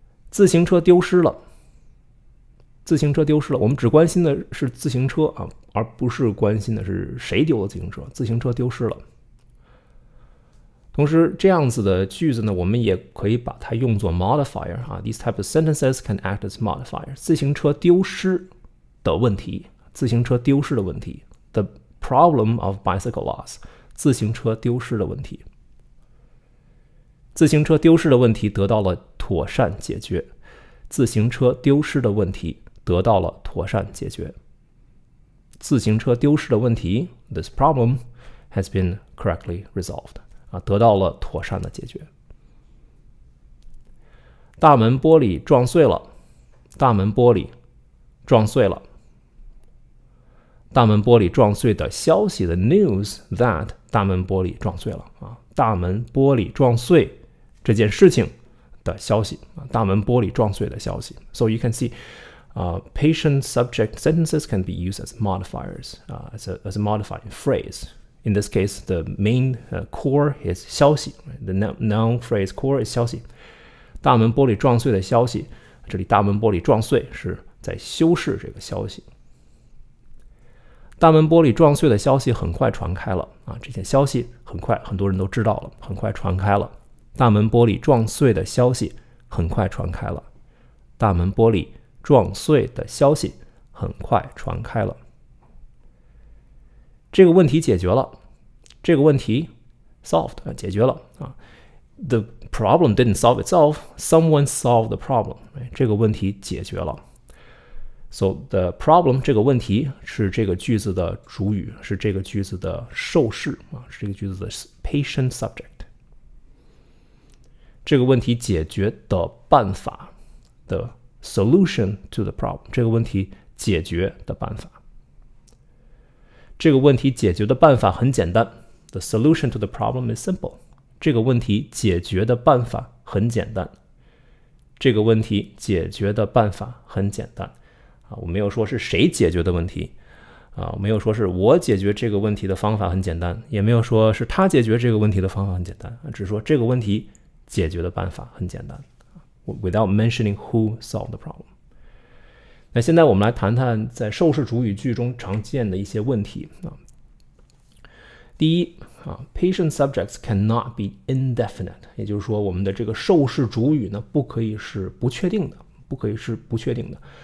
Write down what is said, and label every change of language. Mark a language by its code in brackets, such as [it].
[zh] 自行车丢失了。自行车丢失了，我们只关心的是自行车啊，而不是关心的是谁丢了自行车。自行车丢失了。同时，这样子的句子呢，我们也可以把它用作 [en] modifier [zh] 啊。 [en] These type of sentences can act as modifier. [zh] 自行车丢失的问题，自行车丢失的问题 ， [en] the problem of bicycle loss， [zh] 自行车丢失的问题，自行车丢失的问题得到了妥善解决，自行车丢失的问题。得到了妥善解决。自行车丢失的问题 [en] ，this problem has been correctly resolved。 [zh] 啊，得到了妥善的解决。大门玻璃撞碎了，大门玻璃撞碎了。大门玻璃撞碎的消息 ， [en] the news that [zh] 大门玻璃撞碎了。啊，大门玻璃撞碎这件事情的消息。啊，大门玻璃撞碎的消息。 [en] So you can see。 Patient subject sentences can be used as modifiers, as a modifying phrase. In this case, the main core is 消息, right? The noun phrase core is 消息. [zh] 大门玻璃撞碎的消息, 这里大门玻璃撞碎是在修饰这个消息。大门玻璃撞碎的消息很快传开了, 这些消息很快很多人都知道了, 很快传开了。大门玻璃撞碎的消息很快传开了。大门玻璃撞碎的消息很快传开了。这个问题解决了，这个问题 solved 解决了啊。 [en] The problem didn't solve itself. Someone solved the problem. [zh] 这个问题解决了。 [en] So the problem [zh] 这个问题是这个句子的主语，是这个句子的受试啊，是这个句子的 [en] patient subject。 [zh] 这个问题解决的办法的。 [en] Solution to the problem， [zh] 这个问题解决的办法。这个问题解决的办法很简单。 [en] The solution to the problem is simple。 [zh] 这个问题解决的办法很简单。这个问题解决的办法很简单。啊，我没有说是谁解决的问题，啊，没有说是我解决这个问题的方法很简单，也没有说是他解决这个问题的方法很简单，只说这个问题解决的办法很简单。 [en] Without mentioning who solved the problem. [zh] 那现在我们来谈谈在受试主语句中常见的一些问题。第一， [en] patient subjects cannot be indefinite. [zh] 也就是说我们的这个受试主语呢不可以是不确定的，不可以是不确定的。